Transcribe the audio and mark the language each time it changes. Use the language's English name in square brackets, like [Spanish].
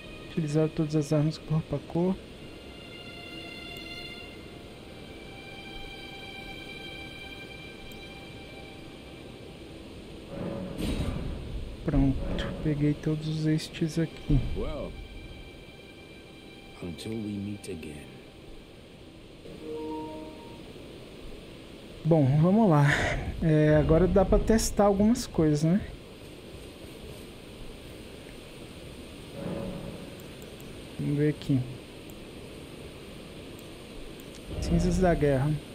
[Portuguese] Utilizar todas as armas corpo a corpo. Pronto, peguei todos estes aqui. [English] Well, until we meet again. [Portuguese] Bom, vamos lá. É, agora dá pra testar algumas coisas, né? Vamos ver aqui. Cinzas da guerra.